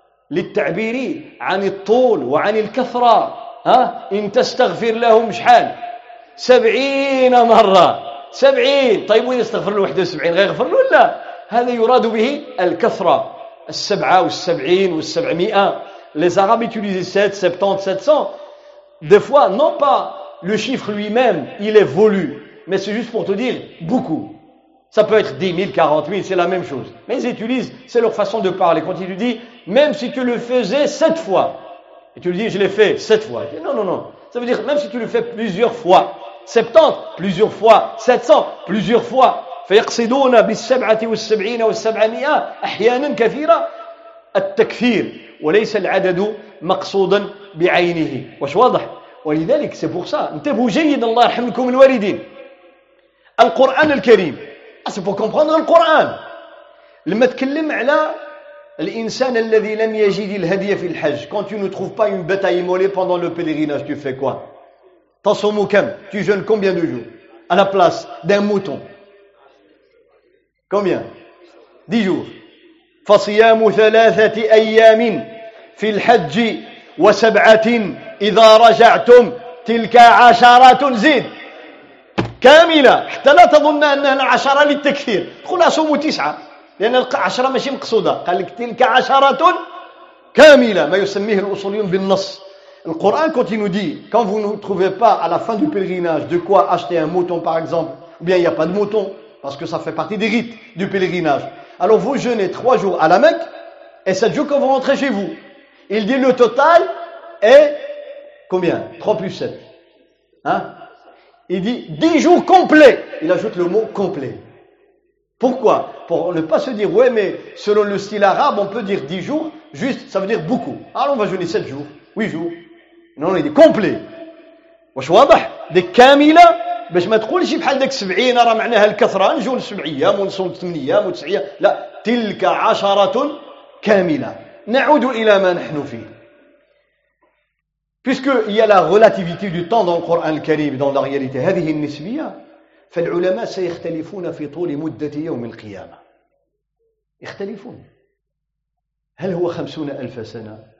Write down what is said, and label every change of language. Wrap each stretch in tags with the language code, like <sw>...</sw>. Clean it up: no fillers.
<ar>للتعبير عن الطول وعن الكثرة ها إن تستغفر لهم شحال سبعين مرة سبعين طيب وين يستغفر له 71 غير يغفر له ولا هذا يراد به الكثرة السبعة والسبعين والسبعمائة</ar> <fr>les arabes utilisent 7, 70, 700 des fois non pas le chiffre lui-même il est voulu mais c'est juste pour te dire beaucoup Ça peut être 10 000, 40 000, c'est la même chose. Mais ils utilisent, c'est leur façon de parler. Quand il lui dit, même si tu le faisais 7 fois, et tu lui dis, je l'ai fait 7 fois. Il dit, non, non, non. Ça veut dire, même si tu le fais plusieurs fois, 70, plusieurs fois, 700, plusieurs fois.</fr> <ar>فَيَقْصِدُونَ بِالسَّبْعَةِ وَالسَّبْعِينَ وَالسَّبْعَمِئَةِ أَحْيَانًا كَثِيرًا التكفير وليس العدد مقصودا بعينه. واش واضح؟ ولذلك,</ar> <fr>c'est pour ça.</fr> <ar>انتبهوا جيد الله يرحمكم الوالدين. القرآن الكريم</ar> <fr>C'est pour comprendre le Coran.</fr> <ar>لما تكلم على الإنسان الذي لم يجد الهدية في الحج.</ar> <fr>Quand tu ne trouves pas une bête à immoler pendant le pèlerinage, tu fais quoi?</fr> <ar>تصوم كم?</ar> <fr>Tu jeûnes combien de jours? À la place d'un mouton. Combien? 10 jours.</fr> <ar>فصيام ثلاثة أيام في الحج وسبعة إذا رجعتم تلك عشرة زيد. كاملة حتى لا تظن أنها عشرة للتكثير قل أصوم تسعة لأن العشرة ماشي مقصودة قال لك تلك عشرة كاملة ما يسميه الأصوليون بالنص</ar> <fr>Le Coran, quand il nous dit, quand vous ne trouvez pas à la fin du pèlerinage de quoi acheter un mouton par exemple, ou bien il n'y a pas de mouton, parce que ça fait partie des rites du pèlerinage. Alors vous jeûnez 3 jours à la Mecque, et 7 jours quand vous rentrez chez vous. Il dit le total est combien? 3 plus 7. Hein? Il dit 10 jours complets. Il ajoute le mot complet. Pourquoi? Pour ne pas se dire, ouais, mais selon le style arabe, on peut dire 10 jours, juste, ça veut dire beaucoup. Alors on va jeûner 7 jours, 8 jours. Non, il dit complet. Wa shwabah, des kamila.</fr> <ar>باش ما تقولش بحال داك 70 راه معناها الكثره نجوا ل 70 ايام ونصوم 8 ايام و 9 ايام لا تلك عشره كامله نعود الى ما نحن فيه</ar> <fr>puisque il y a la relativité du temps dans le Coran al-Karim dans la réalité</fr> <ar>هذه النسبيه فالعلماء سيختلفون في طول مده يوم القيامه يختلفون هل هو 50,000 سنه</ar>